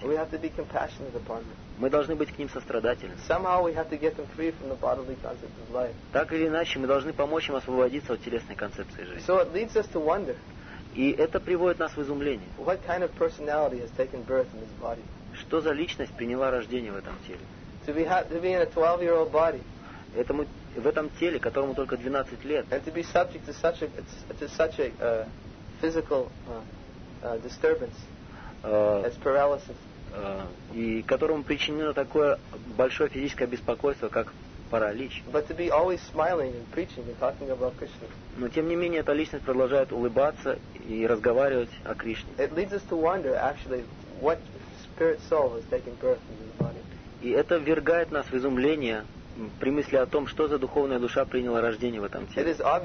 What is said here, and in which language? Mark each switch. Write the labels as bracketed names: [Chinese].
[Russian] Мы должны быть к ним сострадательны. Так или иначе, мы должны помочь им освободиться от телесной концепции жизни. И это приводит нас в изумление. [English] What kind of personality has taken birth in this body? [Russian] Что за личность приняла рождение в этом теле? [English] To be in a 12-year-old body. [Russian] Этому, в этом теле, которому только 12 лет. [English] And to be subject to such a physical disturbance as paralysis. [Russian] И которому причинено такое большое физическое беспокойство, как паралич. [English] But to be always smiling and preaching and talking about Krishna. [Russian] Но тем не менее эта личность продолжает улыбаться и разговаривать о Кришне. [English] It leads us to wonder actually what spirit soul has taken birth in this body. [Russian] И это ввергает нас в изумление при мысли о том, что за духовная душа приняла рождение в этом теле.